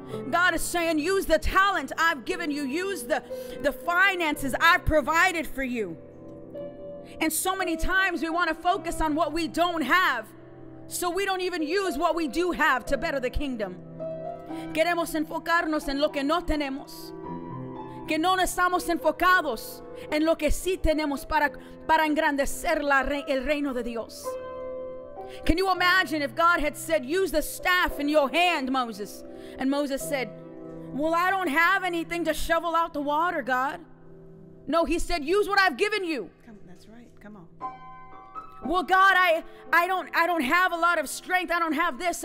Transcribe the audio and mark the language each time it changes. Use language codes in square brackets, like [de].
[en] God is saying, use the talent I've given you. Use the finances I've provided for you. And so many times we want to focus on what we don't have, so we don't even use what we do have to better the kingdom. [es] Queremos enfocarnos en lo que no tenemos. Que no estamos enfocados en lo que sí tenemos para engrandecer el reino de Dios. [en] Can you imagine if God had said, use the staff in your hand, Moses? And Moses said, well, I don't have anything to shovel out the water, God. No, he said, use what I've given you. Come, that's right. Come on. Well, God, I don't have a lot of strength. I don't have this.